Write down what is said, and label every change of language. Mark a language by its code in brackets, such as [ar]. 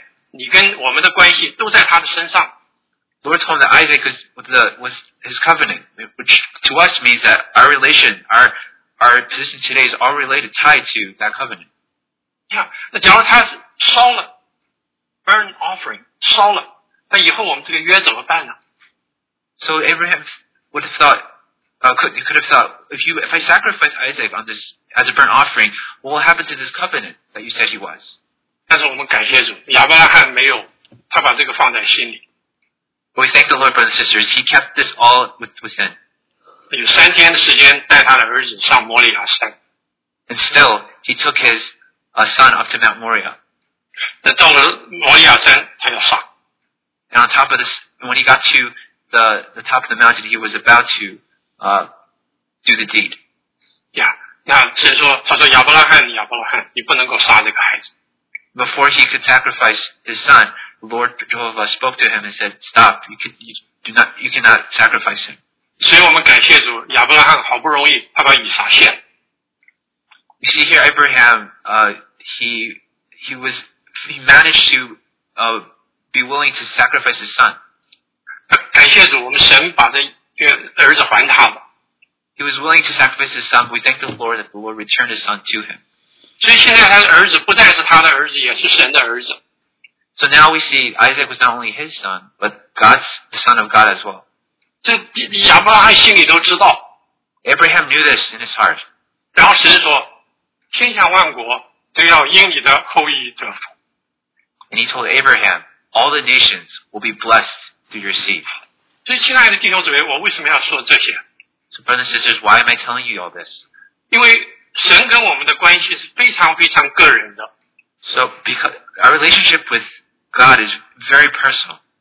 [zh] 而且你跟这个以撒说，你的约要在他身上，意思就是说，我们亚伯拉罕，我们这一家将来，你跟我们的关系都在他的身上。 [en] Lord told him that Isaac was his covenant, which to us means that our relation, our position today is all related, tied to that covenant. [zh] Yeah,那假如他烧了，burnt offering，烧了，那以后我们这个约怎么办呢？ [en] So Abraham would have thought, could have thought, if I sacrifice Isaac on this as a burnt offering, what will happen to this covenant that you said he was? [zh] 但是我们感谢主，亚伯拉罕没有，他把这个放在心里。 [en] We thank the Lord, brothers and sisters. He kept this all within. [zh] 有3天的时间带他的儿子上摩利亚山。 [en] And still, he took his son up to Mount Moriah. [zh] 那到了摩利亚山，他要杀。 [en] And on top of this, when he got to the top of the mountain, he was about to do the deed. [zh] Yeah, 那神说，他说亚伯拉罕，亚伯拉罕，你不能够杀这个孩子。 [en] Before he could sacrifice his son, Lord Jehovah spoke to him and said, "Stop! You cannot sacrifice him." [zh] 所以我们感谢主，亚伯拉罕好不容易他把以撒献。 [en] You see here, Abraham, he managed to be willing to sacrifice his son. [zh] 感谢主，我们神把这儿子还他了。 [en] He was willing to sacrifice his son. We thank the Lord that the Lord returned his son to him. [zh] 所以现在他的儿子不再是他的儿子，也是神的儿子。 [en] So now we see Isaac was not only his son, but God's, the son of God as well. [zh] 这亚伯拉罕心里都知道。 [en] Abraham knew this in his heart. [zh] 然后神说，天下万国都要因你的后裔得福。 [en] And he told Abraham, all the nations will be blessed through your seed. [zh] 所以亲爱的弟兄姊妹，我为什么要说这些？ [en] So brothers and sisters, why am I telling you all this? [zh] 因为神跟我们的关系是非常非常个人的。 [en] So because our relationship with God is very personal.